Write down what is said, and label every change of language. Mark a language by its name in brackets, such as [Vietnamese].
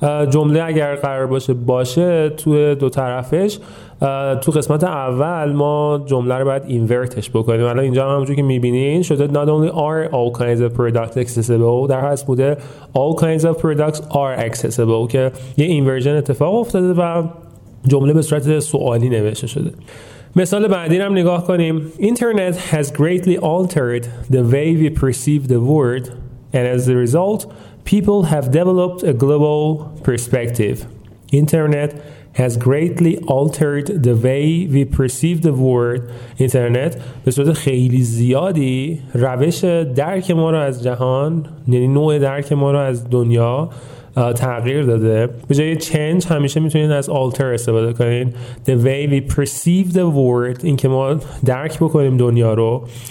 [Persian] جمله اگر قرار باشه باشه توی دو طرفش، تو قسمت اول ما جمله رو باید اینورتش بکنیم. الان اینجا همونجوری که میبینین شده [English] not only are all kinds of products accessible، [Persian] در حالی بوده [English] all kinds of products are accessible، [Persian] که یه اینورژن اتفاق افتاده و جمله به صورت سوالی نوشته شده. مثال بعدی رو هم نگاه کنیم. [English] Internet has greatly altered the way we perceive the world and as a result people have developed a global perspective. Internet has greatly altered the way we perceive the world. [Persian] اینترنت به صورت خیلی زیادی روش درک ما رو از جهان، یعنی نوع درک ما رو از دنیا تغییر داده. به جای change همیشه میتونین از alter استفاده کنین. [English] The way we perceive the world، [Persian] این که ما درک بکنیم دنیا رو.